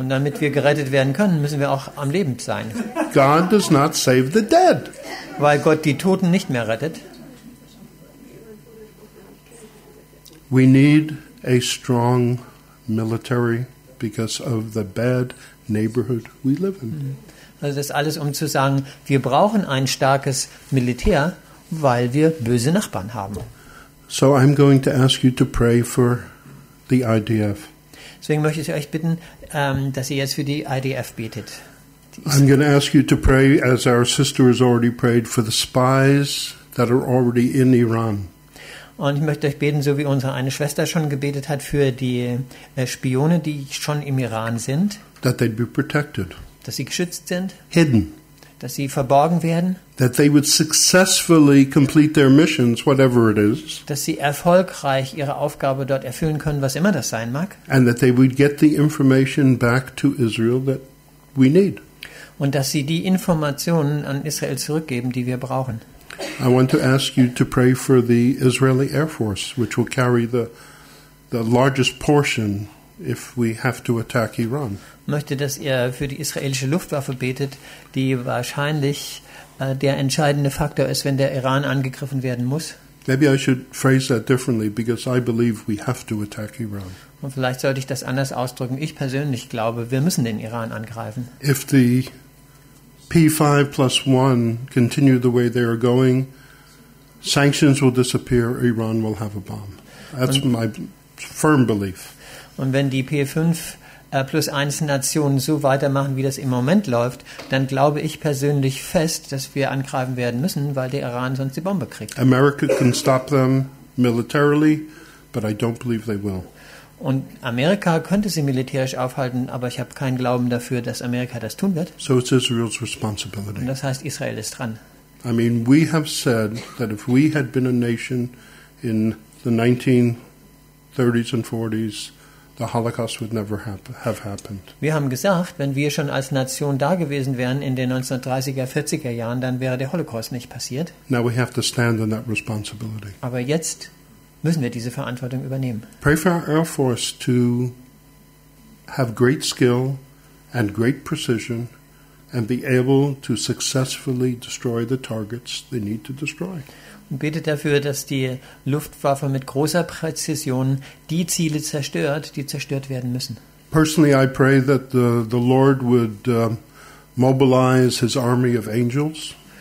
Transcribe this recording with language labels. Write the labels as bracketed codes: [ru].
[de] Und damit wir gerettet werden können, müssen wir auch am Leben sein. [en] God does not save the dead. [de] Weil Gott die Toten nicht mehr rettet. [en] We need a strong military because of the bad neighborhood we live in. [de] Also das ist alles, um zu sagen, wir brauchen ein starkes Militär, weil wir böse Nachbarn haben. [en] So I'm going to ask you to pray for the IDF. [de] Deswegen möchte ich euch bitten, dass ihr jetzt für die IDF betet. [en] I'm going to ask you to pray, as our sister has already prayed, for the spies that are already in Iran. [de] Und ich möchte euch beten, so wie unsere eine Schwester schon gebetet hat, für die Spione, die schon im Iran sind. [en] That they'd be protected. [de] Dass sie geschützt sind. [en] Hidden. [de] Dass sie verborgen werden. [en] That they would successfully complete their missions, whatever it is. [de] Dass sie erfolgreich ihre Aufgabe dort erfüllen können, was immer das sein mag. [en] And that they would get the information back to Israel that we need. [de] Und dass sie die Informationen an Israel zurückgeben, die wir brauchen. [en] I want to ask you to pray for the Israeli Air Force, which will carry the largest portion if we have to attack Iran. [de] Möchte, dass ihr für die israelische Luftwaffe betet, die wahrscheinlich der entscheidende Faktor ist, wenn der Iran angegriffen werden muss. [en] Maybe I should phrase that differently, because I believe we have to attack Iran. [de] Und vielleicht sollte ich das anders ausdrücken. Ich persönlich glaube, wir müssen den Iran angreifen. [en] If the P5 plus 1 continue the way they are going, sanctions will disappear, Iran will have a bomb. That's my firm belief. [de] Und wenn die P5 plus 1 Nationen so weitermachen, wie das im Moment läuft, dann glaube ich persönlich fest, dass wir angreifen werden müssen, weil der Iran sonst die Bombe kriegt. [en] America can stop them militarily, but I don't believe they will. [de] Und Amerika könnte sie militärisch aufhalten, aber ich habe keinen Glauben dafür, dass Amerika das tun wird. [en] So it's Israel's responsibility. [de] Und das heißt, Israel ist dran. [en] I mean, we have said that if we had been a nation in the 1930s and 40s, the Holocaust would never have happened. [de] Wir haben gesagt, wenn wir schon als Nation da gewesen wären in den 1930er, 40er Jahren, dann wäre der Holocaust nicht passiert. [en] Now we have to stand on that responsibility. [de] Aber jetzt müssen wir diese Verantwortung übernehmen. [en] Pray for our Air Force to have great skill and great precision and be able to successfully destroy the targets they need to destroy. [de] Und betet dafür, dass die Luftwaffe mit großer Präzision die Ziele zerstört, die zerstört werden müssen. [en] Personally, I pray that the Lord would mobilize his army of angels.